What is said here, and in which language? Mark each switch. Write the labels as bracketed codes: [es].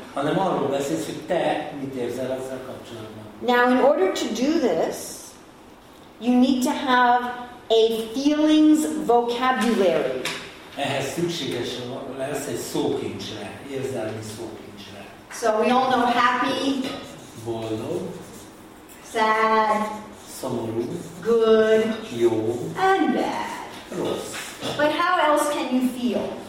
[hu] Hanem arról beszélsz, hogy te mit érzel ezzel kapcsolatban. [en] Now, in order to do this, you need to have a feelings vocabulary. [hu] Ehhez szükséges lesz egy szókincsre, érzelmi szókincsre. [en] So we all know happy. [hu] Boldog. [en] Sad. [hu] Szomorú. [en] Good. [hu] Jó. [en] And bad. [hu] Rossz. [en] But how else can you feel?